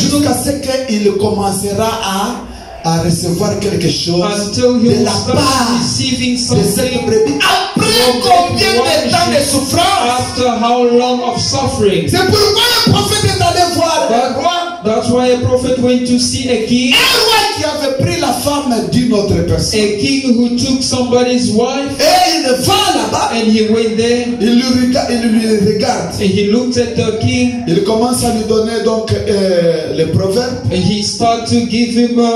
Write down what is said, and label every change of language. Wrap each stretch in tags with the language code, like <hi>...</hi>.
<fr>jusqu'à ce qu'il commencera à recevoir quelque chose de la part de cette brebis.</fr> <en>After how long of suffering?</en> <fr>C'est pourquoi le prophète est allé voir un roi.</fr> <en>That's why a prophet went to see a king.</en> <fr>Un roi qui avait pris la femme d'une autre personne.</fr> <en>A king who took somebody's wife.</en> <fr>Et il va là-bas.</fr> <en>And he went there.</en> <fr>Il lui regarde.</fr> <en>And he looked at the king.</en> <fr>Il commence à lui donner donc le proverbe.</fr> <en>And he start to give him</en>